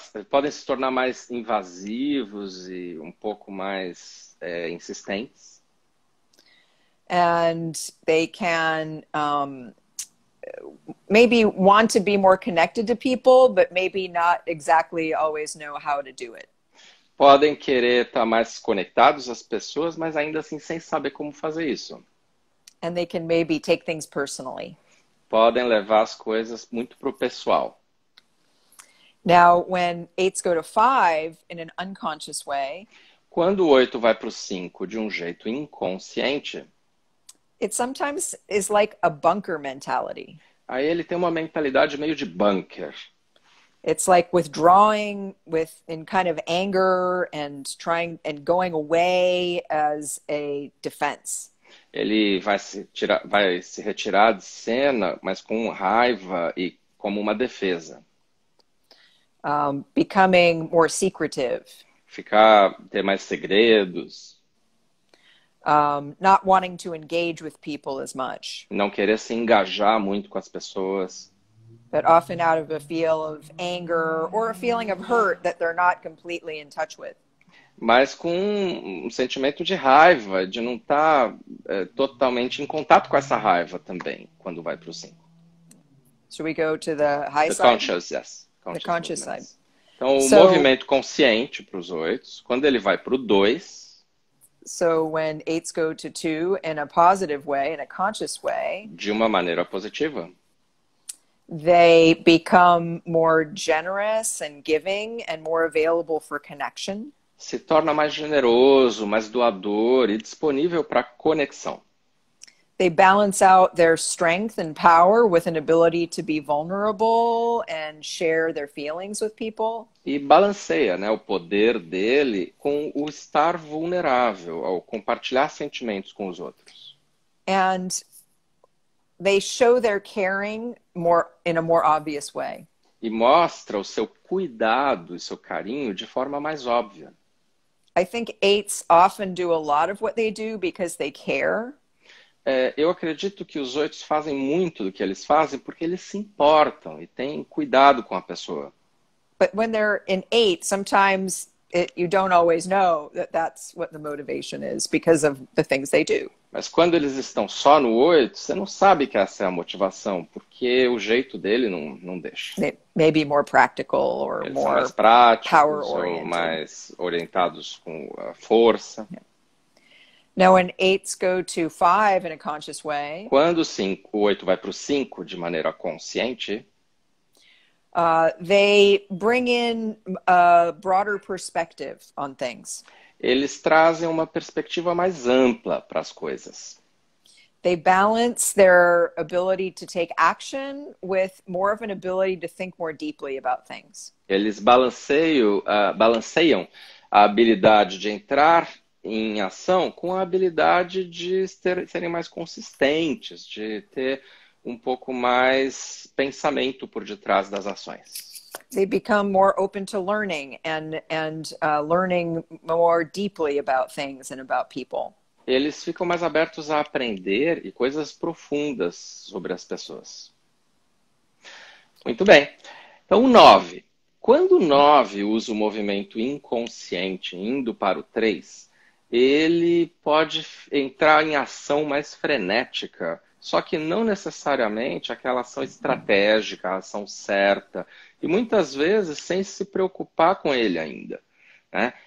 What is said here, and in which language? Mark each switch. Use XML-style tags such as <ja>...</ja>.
<pt>Podem se tornar mais invasivos e um pouco mais insistentes.</pt> <en>And they can maybe want to be more connected to people, but maybe not exactly always know how to do it.</en> <pt>Podem querer estar mais conectados às pessoas, mas ainda assim sem saber como fazer isso.</pt> <en>And they can maybe take things personally.</en> <pt>Podem levar as coisas muito pro pessoal.</pt> <en>Now, when eights go to 5 in an unconscious way,</en> <pt>quando o 8 vai pro 5 de um jeito inconsciente,</pt> <en>it sometimes is like a bunker mentality.</en> <pt>Aí ele tem uma mentalidade meio de bunker.</pt> <en>It's like withdrawing with in kind of anger and trying and going away as a defense.</en> <pt>Ele vai se retirar de cena, mas com raiva e como uma defesa.</pt> <en>Becoming more secretive.</en> <pt>Ter mais segredos.</pt> <en>Not wanting to engage with people as much.</en> <pt>Não querer se engajar muito com as pessoas.</pt> <en>But often out of a feel of anger or a feeling of hurt that they're not completely in touch with.</en> <pt>Mas com um sentimento de raiva, de não estar totalmente em contato com essa raiva também, quando vai para o 5.</pt> <en>Should we go to the high side? Conscious, yes. Conscious, the conscious side.</en> <pt>Então, o movimento consciente para os oitos, quando ele vai para o dois...</pt> <en>So, when eights go to two in a positive way, in a conscious way...</en> <pt>De uma maneira positiva.</pt> <en>They become more generous and giving and more available for connection.</en> <pt>Se torna mais generoso, mais doador e disponível para conexão.</pt> <en>They balance out their strength and power with an ability to be vulnerable and share their feelings with people.</en> <pt>E balanceia, né, o poder dele com o estar vulnerável ao compartilhar sentimentos com os outros.</pt> <en>And they show their caring more in a more obvious way.</en> <pt>E mostra o seu cuidado e seu carinho de forma mais óbvia.</pt> <en>I think eights often do a lot of what they do because they care.</en> <pt>Eu acredito que os oitos fazem muito do que eles fazem porque eles se importam e têm cuidado com a pessoa.</pt> <en>But when they're in eight, sometimes you don't always know that that's what the motivation is because of the things they do.</en> <pt>Mas quando eles estão só no oito, você não sabe que essa é a motivação, porque o jeito dele não deixa.</pt> <en>Maybe more practical or</en> <pt>eles</pt> <en>more</en> <pt>são mais práticos,</pt> <en>power oriented.</en> <pt>Ou mais orientados com a força.</pt> <en>Yeah. Now, when eights go to five in a conscious way,</en> <pt>quando cinco, o oito vai para o cinco de maneira consciente,</pt> <en>they bring in a broader perspective on things.</en> <pt>Eles trazem uma perspectiva mais ampla para as coisas.</pt> <en>They balance their ability to take action with more of an ability to think more deeply about things.</en> <pt>Eles balanceiam a habilidade de entrar em ação com a habilidade de serem mais consistentes, de ter um pouco mais pensamento por detrás das ações.</pt> <en>They become more open to learning and learning more deeply about things and about people.</en> <pt>Eles ficam mais abertos a aprender e coisas profundas sobre as pessoas. Muito bem. Então, o 9. Quando o 9 usa o movimento inconsciente indo para o 3, ele pode entrar em ação mais frenética, só que não necessariamente aquela ação estratégica, a ação certa, e muitas vezes sem se preocupar com ele ainda, né?</pt>